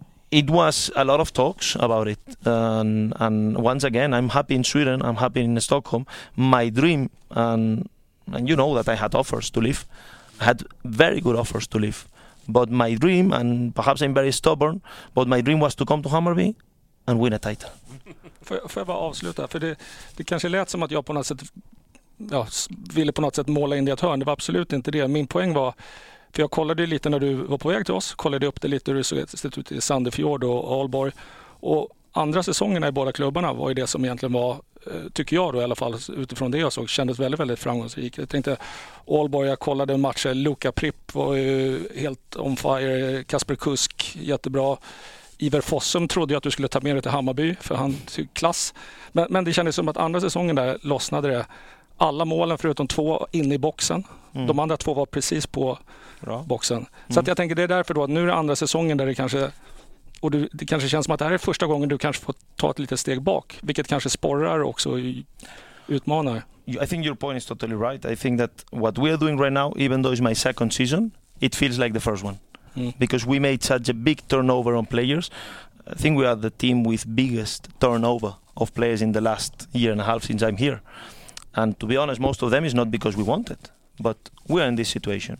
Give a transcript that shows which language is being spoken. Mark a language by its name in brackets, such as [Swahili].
[English] It was a lot of talks about it. And once again, I'm happy in Sweden. I'm happy in Stockholm. My dream, and you know that I had offers to leave. I had very good offers to leave. But my dream, and perhaps I'm very stubborn, but my dream was to come to Hammarby and win a title. [Swedish] Får jag bara avsluta? För det kanske lät som att jag på något sätt ville på något sätt måla in det i ett hörn. Det var absolut inte det. Min poäng var, för jag kollade lite när du var på väg till oss, kollade upp det lite hur du såg ut i Sandefjord och Aalborg. Och andra säsongerna i båda klubbarna var ju det som egentligen var, tycker jag då i alla fall, utifrån det jag såg, kändes väldigt, väldigt framgångsrikt. Jag tänkte, Aalborg, jag kollade en match, Luka Pripp var ju helt [English] on fire, [Swedish] Kasper Kusk, jättebra. Iver Fossum trodde jag att du skulle ta med dig till Hammarby, för han tyckte klass. Men det kändes som att andra säsongen där lossnade det. Alla målen förutom två in i boxen. Mm. De andra två var precis på bra boxen. Så att jag tänker, det är därför då, att nu är det andra säsongen där det kanske... Och det kanske känns som att det här är första gången du kanske får ta ett litet steg bak, vilket kanske sporrar också, utmanar. [English] I think your point is totally right. I think that what we are doing right now, even though it's my second season, it feels like the first one. Because we made such a big turnover on players. I think we are the team with biggest turnover of players in the last year and a half since I'm here. And to be honest, most of them is not because we want it, but we are in this situation.